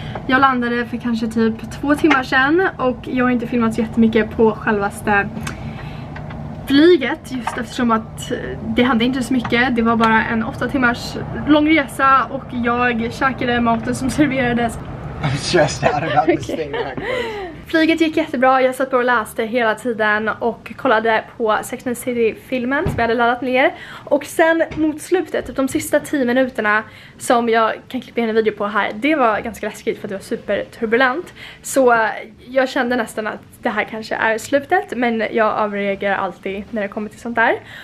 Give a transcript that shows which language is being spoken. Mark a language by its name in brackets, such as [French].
[Swedish] Jag landade för kanske typ 2 timmar sedan och jag har inte filmat så jättemycket på självaste flyget, just eftersom att det hände inte så mycket. Det var bara en 8 timmars lång resa och jag käkade maten som serverades. [English] I'm stressed out about this thing back. [Swedish] Flyget gick jättebra, jag satt på och läste hela tiden och kollade på Sex and the City-filmen som jag hade laddat ner. Och sen mot slutet, typ de sista 10 minuterna som jag kan klippa in en video på här, det var ganska läskigt för att det var super turbulent. Så jag kände nästan att det här kanske är slutet, men jag överreagerar alltid när det kommer till sånt där.